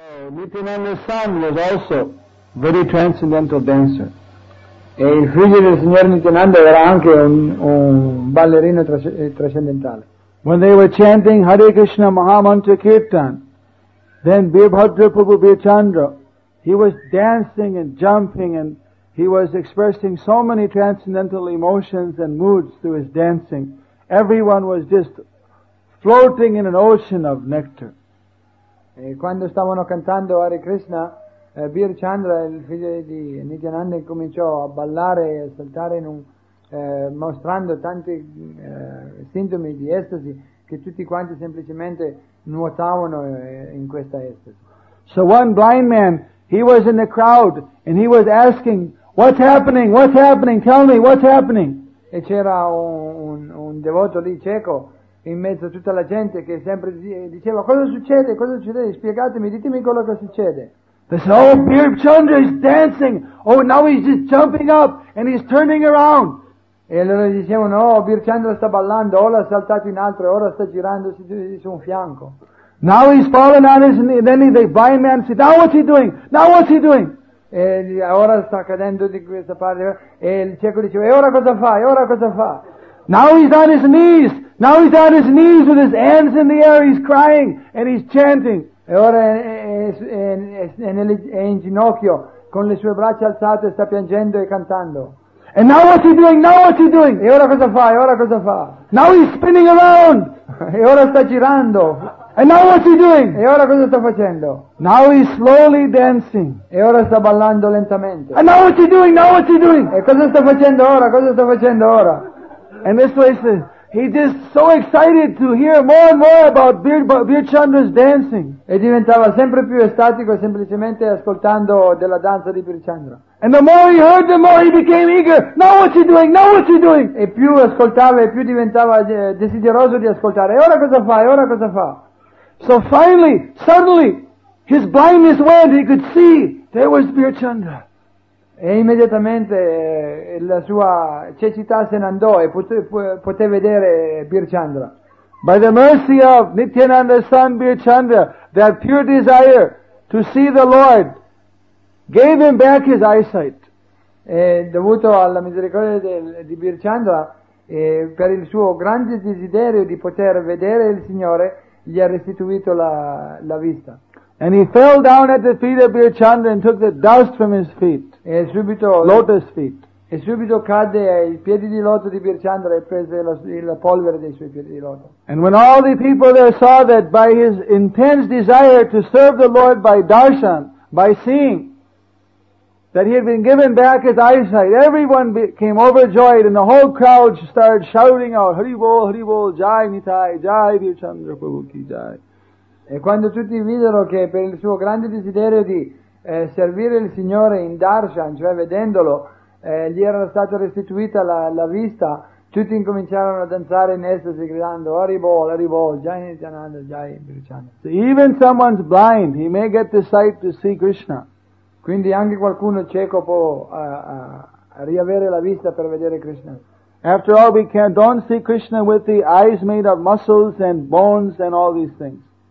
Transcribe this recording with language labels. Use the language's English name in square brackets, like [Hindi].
[English] Nityananda Swami was also a very transcendental dancer. [Italian] E il figlio del signor Nityananda era anche un ballerino trascendentale. [English] When they were chanting Hare Krishna Mahamantra Kirtan, then Birbhadra Prabhu Birchandra, he was dancing and jumping and he was expressing so many transcendental emotions and moods through his dancing. Everyone was just floating in an ocean of nectar. [Italian] E quando stavano cantando Hare Krishna, Birchandra, il figlio di Nityananda, cominciò a ballare e a saltare in un, mostrando tanti sintomi di estasi che tutti quanti semplicemente nuotavano in questa estasi. [English] So one blind man, he was in the crowd and he was asking, what's happening, what's happening, tell me, what's happening? [Italian] E c'era un devoto lì cieco in mezzo a tutta la gente che sempre diceva, cosa succede, spiegatemi, ditemi quello che succede. [English] They said, oh, Birbhadra is dancing. Oh, now he's just jumping up and he's turning around. [Italian] E loro dicevano, oh, Birbhadra sta ballando, ora ha saltato in altro, ora sta girandosi su un fianco. [English] Now he's fallen on his knee. Then the blind man said, now what's he doing? Now what's he doing? [Italian] E ora sta cadendo di questa parte. E il cieco diceva, e ora cosa fa? E ora cosa fa? [English] Now he's on his knees. Now he's on his knees with his hands in the air. He's crying and he's chanting. [Italian] E ora è in ginocchio con le sue braccia alzate sta piangendo e cantando. [English] And now what's he doing? Now what's he doing? [Italian] E ora cosa fa? E ora cosa fa? [English] Now he's spinning around. [Italian] E ora sta girando. [English] And now what's he doing? [Italian] E ora cosa sta facendo? [English] Now he's slowly dancing. [Italian] E ora sta ballando lentamente. [English] And now what's he doing? Now what's he doing? [Italian] E cosa sta facendo ora? Cosa sta facendo ora? [English] And this way says, he's just so excited to hear more and more about Birchandra's dancing. [Italian] E diventava sempre più estatico semplicemente ascoltando della danza di Birchandra. [English] And the more he heard, the more he became eager. Now what's he doing? Now what's he doing? [Italian] E più ascoltava e più diventava desideroso di ascoltare. E ora cosa fa? E ora cosa fa? [English] So finally, suddenly, his blindness went. He could see there was Birchandra. [Italian] E immediatamente la sua cecità se ne andò e poté vedere Birchandra. [English] By the mercy of Nityananda's son Birchandra, that pure desire to see the Lord gave him back his eyesight. [Italian] E dovuto alla misericordia di Birchandra, per il suo grande desiderio di poter vedere il Signore, gli ha restituito la vista. [English] And he fell down at the feet of Birchandra and took the dust from his feet. [Italian] E subito, [English] lotus feet. [Italian] E subito cadde ai piedi di loto di Birchandra e prese la polvere dei suoi piedi di loto. [English] And when all the people there saw that by his intense desire to serve the Lord by darshan, by seeing, that he had been given back his eyesight, everyone became overjoyed and the whole crowd started shouting out, Hari Bol, Hari Bol, Jai Nitai, Jai Birchandra Prabhu Ki Jai. [Italian] E quando tutti videro che per il suo grande desiderio di servire il Signore in Darshan, cioè vedendolo, gli era stata restituita la vista, tutti incominciarono a danzare in estasi gridando, Hari Bol, Hari Bol, Jai Nityananda, Jai Birchandra. [English] So even someone's blind, he may get the sight to see Krishna. [Italian] Quindi anche qualcuno cieco può riavere la vista per vedere Krishna. [English] After all, we can't don't see Krishna with the eyes made of muscles and bones and all these things.